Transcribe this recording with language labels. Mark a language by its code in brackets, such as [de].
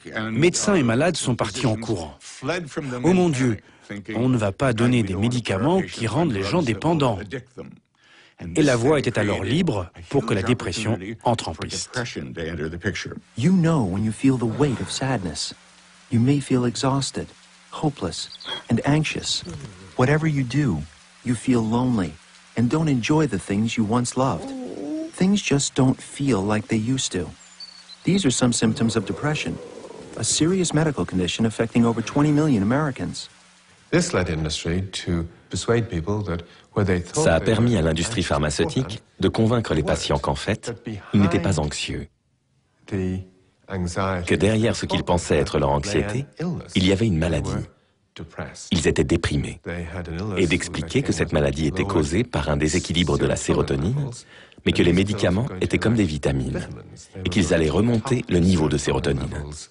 [fr] Médecins et malades sont partis en courant. Oh mon Dieu, on ne va pas donner des médicaments qui rendent les gens dépendants. Et la voie était alors libre pour que la dépression entre en piste. [en] You know when you feel the weight of sadness. You may feel exhausted, hopeless, and anxious. Whatever you do, you feel lonely and don't enjoy the things you once loved. Things just don't feel like they used to. These are some symptoms of depression, a serious medical condition affecting over 20 million Americans. This led industry to persuade people that where they thought [fr] ça a permis à l'industrie pharmaceutique de convaincre les patients qu'en fait, ils n'étaient pas anxieux. Que derrière ce qu'ils pensaient être leur anxiété, il y avait une maladie. Ils étaient déprimés. Et d'expliquer que cette maladie était causée par un déséquilibre de la sérotonine, mais que les médicaments étaient comme des vitamines, et qu'ils allaient remonter le niveau de sérotonine.